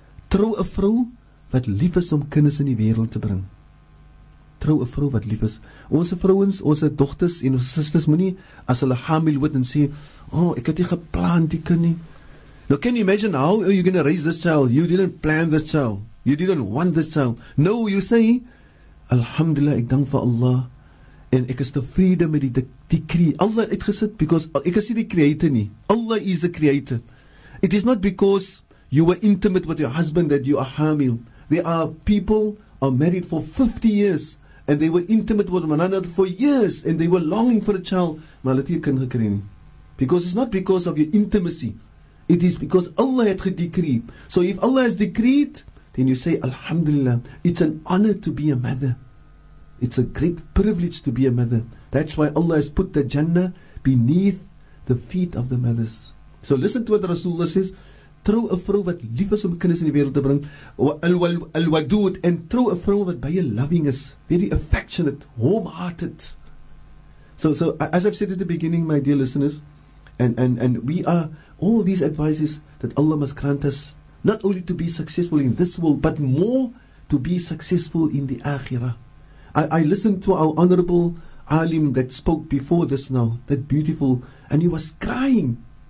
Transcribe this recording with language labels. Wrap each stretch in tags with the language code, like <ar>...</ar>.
<af>Trou 'n vrou wat lief is om kinders in die wêreld te bring. Trou 'n vrou wat lief is. Ons vrouens, ons dogters en ons susters moenie as hulle hamil word en sê, "Oh, ek het nie geplan die kind nie."</af> <en>Now, can you imagine how you're going to raise this child? You didn't plan this child. You didn't want this child. No, you say, Alhamdulillah,</en> <af>ek dank vir Allah. En ek is tevrede met die decree. Allah het gesit, because ek is nie die creator nie.</af> <en>Allah is the creator. It is not because you were intimate with your husband that you are hamil. There are people are married for 50 years and they were intimate with one another for years and they were longing for a child.</en> <af>Maar hulle het nie kind gekry nie.</af> <en>Because it's not because of your intimacy. It is because Allah had decreed. So if Allah has decreed, then you say, Alhamdulillah, it's an honor to be a mother. It's a great privilege to be a mother. That's why Allah has put the Jannah beneath the feet of the mothers. So listen to what Rasulullah says.</en> <af>Trou 'n vrou wat lief is om kinders in die wêreld te bring. Al-wadud. And trou 'n vrou wat baie loving is.</af> <en>Very affectionate. Warm-hearted. So as I've said at the beginning, my dear listeners, and we are... All these advices that Allah must grant us, not only to be successful in this world, but more to be successful in the Akhirah. I listened to our honorable Alim that spoke before this now, that beautiful, and he was crying.</en>